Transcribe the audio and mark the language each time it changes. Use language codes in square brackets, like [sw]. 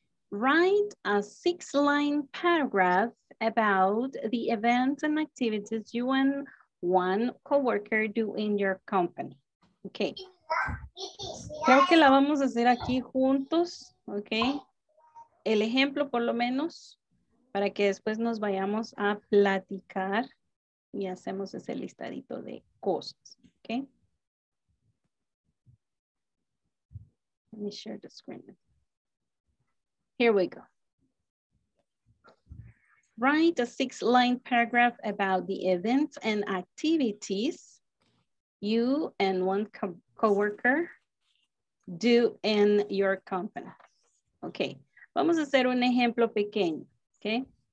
[en] Write a 6-line paragraph about the events and activities you and one coworker do in your company. Okay. [es] Creo que la vamos a hacer aquí juntos. Okay. El ejemplo, por lo menos, para que después nos vayamos a platicar y hacemos ese listadito de cosas. [en] Okay. Let me share the screen. Here we go. write a 6-line paragraph about the events and activities you and one coworker do in your company. [es] Okay, vamos a hacer un ejemplo pequeño, okay?